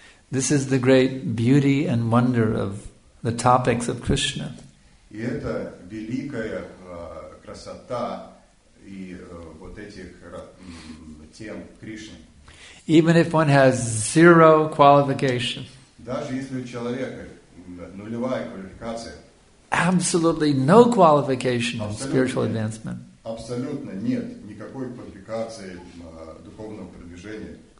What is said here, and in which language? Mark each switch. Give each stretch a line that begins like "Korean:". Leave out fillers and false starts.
English: This is the great beauty and wonder of the topics of Krishna.
Russian: И это великая красота и вот этих тем Кришны.
English: Even if one has zero qualification.
Russian: Даже если у человека нулевая квалификация.
English: Absolutely no qualification of spiritual advancement.
Russian: Абсолютно нет никакой квалификации духовного продвижения.